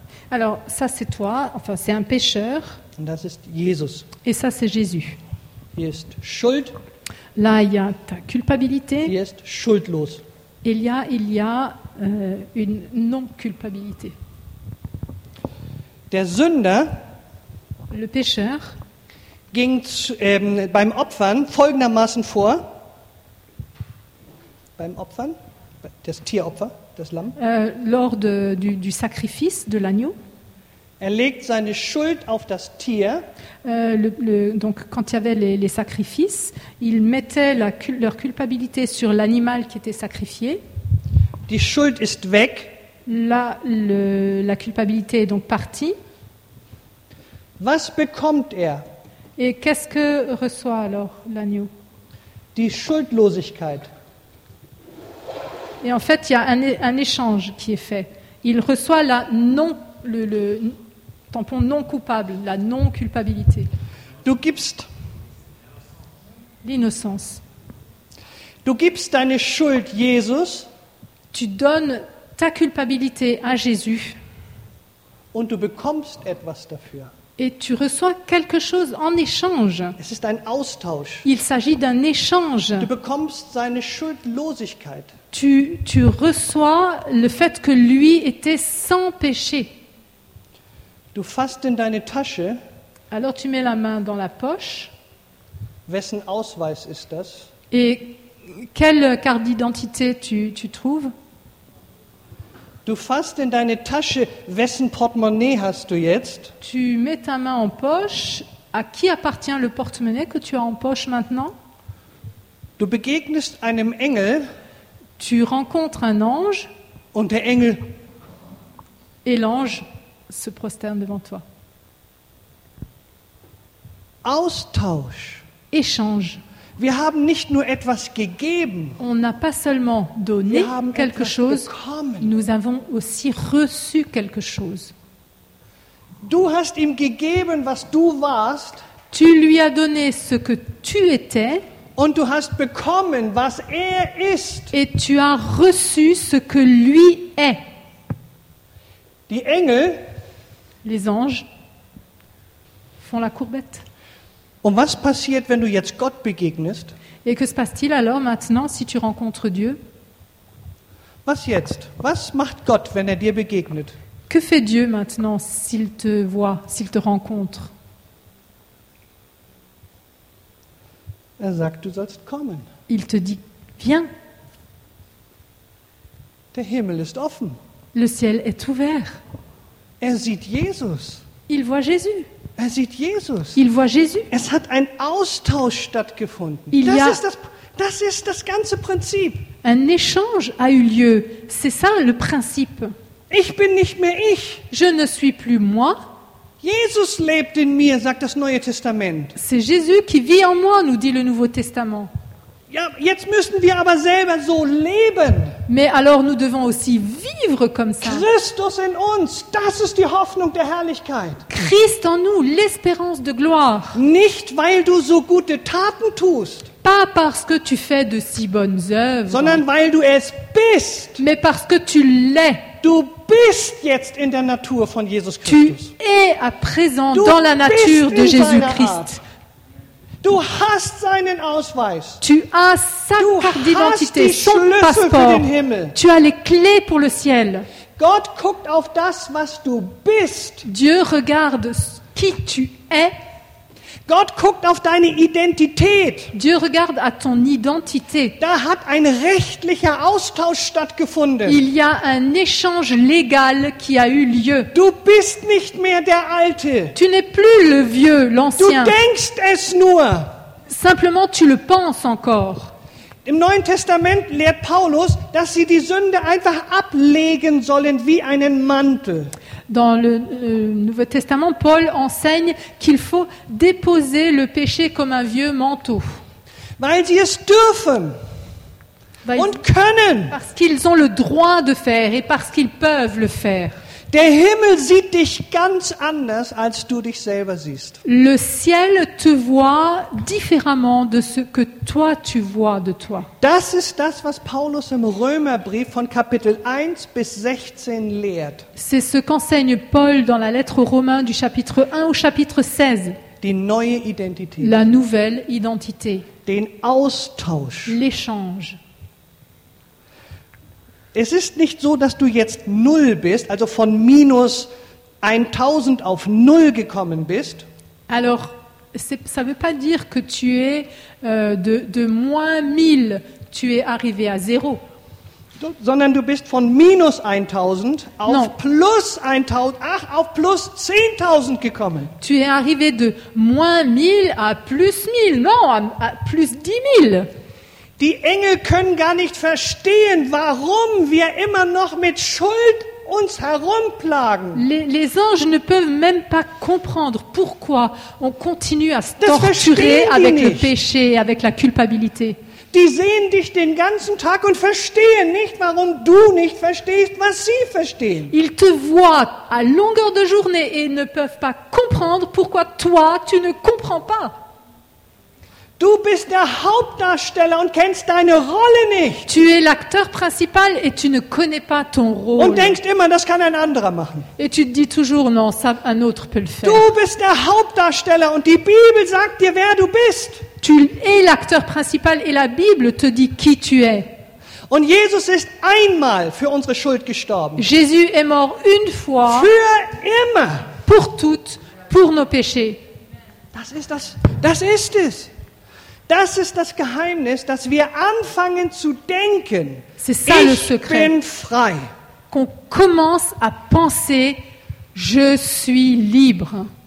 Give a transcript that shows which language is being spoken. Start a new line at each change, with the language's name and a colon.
French: Alors, ça c'est toi, enfin c'est un pécheur.
German: Und das ist Jesus.
French: Et ça c'est Jésus.
German: Hier ist Schuld.
French: Là il y a ta culpabilité.
German: Hier ist schuldlos.
French: Il y a une non-culpabilité.
German: Der Sünder,
French: le pécheur,
German: ging beim Opfern folgendermaßen vor. Beim Opfern, das Tieropfer, das Lamm.
French: Lors du sacrifice de l'agneau.
German: Er legt seine Schuld auf das Tier.
French: Donc quand il y avait les sacrifices, ils mettaient leur culpabilité sur l'animal qui était sacrifié.
German: Die Schuld ist weg.
French: Là, la culpabilité est donc partie.
German: Was bekommt er?
French: Et qu'est-ce que reçoit alors l'agneau?
German: Die Schuldlosigkeit.
French: Et en fait, il y a un échange qui est fait. Il reçoit la non le tampon non coupable, la non culpabilité.
German: Du gibst
French: l'innocence.
German: Du gibst deine Schuld Jesus.
French: Tu donnes ta culpabilité à Jésus.
German: Und du bekommst etwas dafür.
French: Et tu reçois quelque chose en échange.
German: Es ist ein Austausch.
French: Il s'agit d'un échange.
German: Du bekommst seine Schuldlosigkeit.
French: Tu reçois le fait que lui était sans péché.
German: Du fasst in deine Tasche.
French: Alors tu mets la main dans la poche.
German: Wessen Ausweis ist das?
French: Et quelle carte d'identité tu trouves?
German: Du fasst in deine Tasche. Wessen Portemonnaie hast du jetzt?
French: Tu mets ta main en poche. À qui appartient le porte-monnaie que tu as en poche maintenant?
German: Du begegnest einem Engel.
French: Tu rencontres un ange.
German: Und der Engel.
French: Et l'ange se prosterne devant toi.
German: Austausch.
French: Échange.
German: Wir haben nicht nur etwas gegeben.
French: On n'a pas seulement donné quelque chose.
German: Bekommen.
French: Nous avons aussi reçu quelque chose.
German: Du hast ihm gegeben, was du warst.
French: Tu lui as donné ce que tu étais.
German: Und du hast bekommen, was er ist.
French: Et tu as reçu ce que lui est.
German: Die Engel,
French: les anges, font la courbette.
German: Und was passiert, wenn du jetzt Gott begegnest?
French: Et que se passe-t-il alors maintenant si tu rencontres Dieu?
German: Was jetzt? Was macht Gott, wenn er dir begegnet?
French: Que fait Dieu maintenant s'il te voit, s'il te rencontre?
German: Er sagt, du sollst kommen.
French: Il te dit, viens.
German: Der Himmel ist offen.
French: Le ciel est ouvert.
German: Er sieht Jesus.
French: Il voit Jésus.
German: Er sieht Jesus.
French: Il voit Jésus.
German: Es hat ein Austausch stattgefunden. Das ist das ganze Prinzip.
French: Un échange a eu lieu. C'est ça le principe.
German: Ich bin nicht mehr ich.
French: Je ne suis plus moi.
German: Jesus lebt in mir, sagt das Neue Testament.
French: C'est Jésus qui vit en moi, nous dit le Nouveau Testament.
German: Ja, jetzt müssen wir aber selber so leben.
French: Mais alors nous devons aussi vivre comme ça.
German: Christus in uns, das ist die Hoffnung der Herrlichkeit.
French: Christ en nous, l'espérance de gloire.
German: Nicht weil du so gute Taten tust.
French: Pas parce que tu fais de si bonnes œuvres.
German: Sondern weil du es bist.
French: Mais parce que tu l'es.
German: Du bist jetzt in der Natur von Jesus Christus.
French: Tu es à présent dans la nature de Jésus-Christ.
German: Du hast seinen Ausweis.
French: Tu as sa carte d'identité, son passeport. Tu as les clés pour le ciel.
German: Gott guckt auf das, was du bist.
French: Dieu regarde qui tu es.
German: Gott guckt auf deine Identität.
French: Dieu regarde à ton identité.
German: Da hat ein rechtlicher Austausch stattgefunden.
French: Il y a un échange légal qui a eu lieu.
German: Du bist nicht mehr der Alte.
French: Tu n'es plus le vieux, l'ancien.
German: Du denkst es nur.
French: Simplement, tu le penses encore.
German: Im Neuen Testament lehrt Paulus, dass sie die Sünde einfach ablegen sollen wie einen Mantel.
French: Dans le Nouveau Testament, Paul enseigne qu'il faut déposer le péché comme un vieux manteau.
German: Weil sie es dürfen und können.
French: Parce qu'ils ont le droit de faire et parce qu'ils peuvent le faire.
German: Der Himmel sieht dich ganz anders, als du dich selber siehst.
French: Le ciel te voit différemment de ce que toi tu vois de toi.
German: Das ist das, was Paulus im Römerbrief von Kapitel 1 bis 16 lehrt.
French: C'est ce qu'enseigne Paul dans la lettre aux Romains du chapitre 1 au chapitre 16.
German: Die neue Identität.
French: La nouvelle identité.
German: Den Austausch.
French: L'échange.
German: Es ist nicht so, dass du jetzt null bist, also von minus 1000 auf null gekommen bist.
French: Alors, ça veut pas dire que tu es de moins 1000, tu es arrivé à zéro.
German: Sondern du bist von minus 1000 auf plus 1000, ach, auf plus 10.000 gekommen.
French: Tu es arrivé de moins 1000 à plus 1000, à plus 10.000.
German: Die Engel können gar nicht verstehen, warum wir immer noch mit Schuld uns herumplagen.
French: Les anges ne peuvent même pas comprendre pourquoi on continue à se torturer avec le péché, avec la culpabilité.
German: Die sehen dich den ganzen Tag und verstehen nicht, warum du nicht verstehst, was sie verstehen.
French: Ils te voient à longueur de journée et ne peuvent pas comprendre pourquoi toi tu ne comprends pas.
German: Du bist der Hauptdarsteller und kennst deine Rolle nicht.
French: Tu es l'acteur principal et tu ne connais pas ton rôle.
German: Und denkst immer, das kann ein anderer machen.
French: Et tu te dis toujours non, ça un autre peut le faire.
German: Du bist der Hauptdarsteller und die Bibel sagt dir, wer du bist.
French: Tu es l'acteur principal et la Bible te dit qui tu es.
German: Und Jesus ist einmal für unsere Schuld gestorben.
French: Jésus est mort une fois.
German: Für immer.
French: Pour toutes, pour nos péchés.
German: Das ist es. Das ist das Geheimnis, dass wir anfangen zu denken.
French: C'est ça le secret.
German: Ich bin frei.
French: Qu'on commence à penser, je suis libre.